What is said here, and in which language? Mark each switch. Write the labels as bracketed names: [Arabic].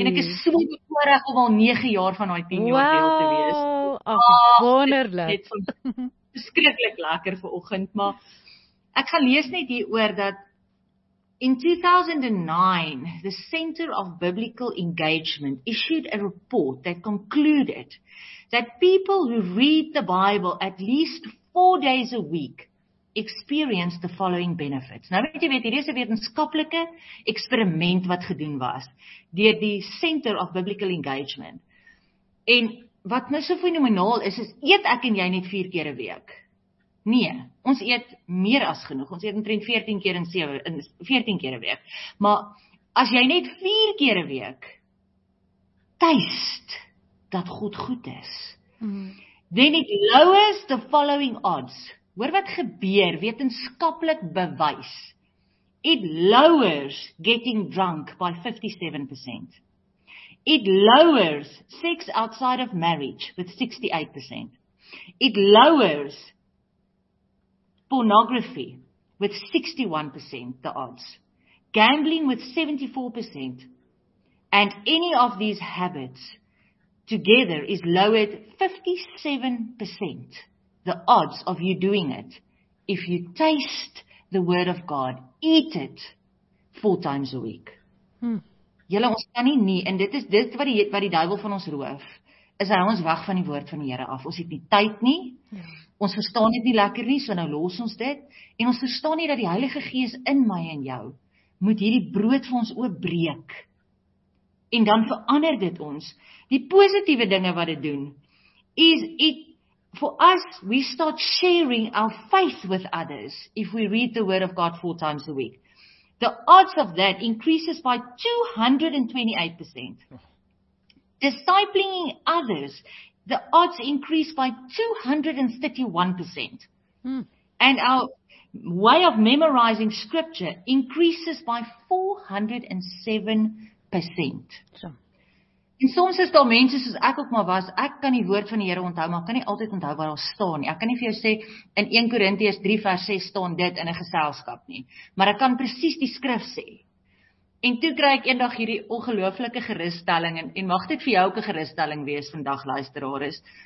[Afrikaans] En ek is so bevoorreg om al 9 jaar van daai 10 jaar deel te wees. Wow, ag, wonderlik. Dit is beskreeklik lekker vanoggend, maar ek gaan lees net hier oor dat in 2009, [English] the Center of Biblical Engagement issued a report that concluded that people who read the Bible at least 4 days a week experience the following benefits. [Afrikaans] Nou weet jy, hier is 'n wetenskaplike eksperiment wat gedoen was deur die Center of Biblical Engagement. En wat nou so fenomenaal is, is eet ek en jy net 4 keer 'n week. Nee, ons eet meer as genoeg. Ons eet omtrent 14 keer in 14 keer 'n week. Maar as jy net 4 keer 'n week tuist dat God goed is. [English] Then it lowers the following odds. [Afrikaans] Hoor wat gebeur, wetenskaplik bewys. [English] It lowers getting drunk by 57%. It lowers sex outside of marriage with 68%. It lowers pornography with 61%, the odds. Gambling with 74%. And any of these habits together is lowered 57%, the odds of you doing it. If you taste the word of God, eat it 4 times a week. [Afrikaans] Julle, ons kan nie nie, en dit is wat die duivel van ons roof, is hy ons weg van die woord van die Here af. Ons het nie tyd nie, ons verstaan dit nie lekker nie, so nou los ons dit, en ons verstaan nie dat die Heilige Gees in my en jou moet hierdie brood vir ons oopbreek. En dan verander dit ons. Die positiewe dinge wat dit doen, is [English] it for us, we start sharing our faith with others if we read the word of God 4 times a week. The odds of that increases by 228%. Discipling others, the odds increase by 231%. And our way of memorizing scripture increases by 407%. [Afrikaans] En soms is daar mense soos ek ook maar was, ek kan die woord van die Here onthou, maar ek kan nie altyd onthou wat daar staan nie. Ek kan nie vir jou sê, in 1 Korintiërs 3 vers 6 staan dit in 'n geselskap nie. Maar ek kan precies die skrif sê. En toe kry ek eendag hierdie ongelooflike geruststelling, en mag dit vir jou ook 'n geruststelling wees vandag, luisteraars.